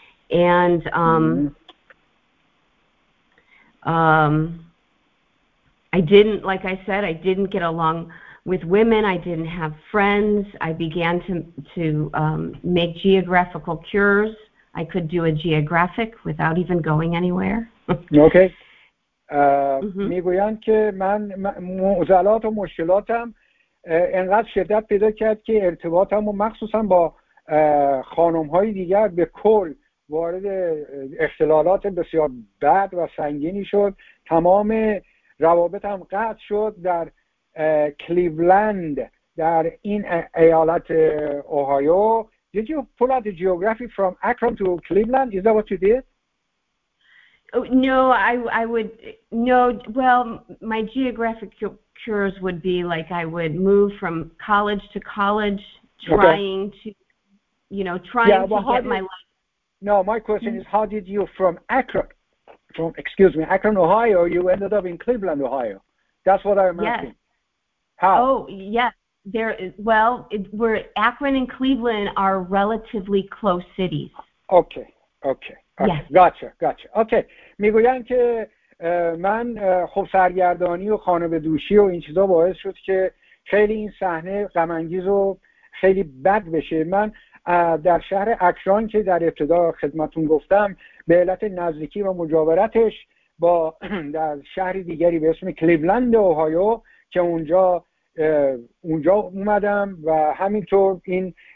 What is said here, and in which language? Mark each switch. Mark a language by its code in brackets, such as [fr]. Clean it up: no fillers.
[en] And I didn't, like I said, I didn't get along with women. I didn't have friends. I began to make geographical cures. I could do a geographic without even going anywhere. Okay. [fa] میگویند که من معضلات و مشکلاتم انقدر شدت پیدا کرد که ارتباطم و مخصوصا با خانم های دیگر به کل وارد اختلالات بسیار بد و سنگینی شد. تمام روابطم قطع شد در کلیولند در این ایالت اوهایو. [en] Did you pull out the geography from Akron to Cleveland? Is that what you did? No, I would, no, well, my geographic cures would be like I would move from college to college trying okay. to, you know, trying yeah, well, to get my life. No, my question is how did you from Akron, Ohio, you ended up in Cleveland, Ohio? That's what I'm yes. asking. How? Oh, yeah. There, well, we're Akron and Cleveland are relatively close cities. Okay. Gotcha. Okay. [fa] میگویند که من خب سرگردانی و خانه دوشی و این چیزا باعث شد که خیلی این صحنه غم انگیز و خیلی بد بشه. من در شهر اکران که در ابتدا خدمتون گفتم به علت نزدیکی و مجاورتش با در شهر دیگری به اسم کلیولند اوهایو که اونجا اومدم و همینطور این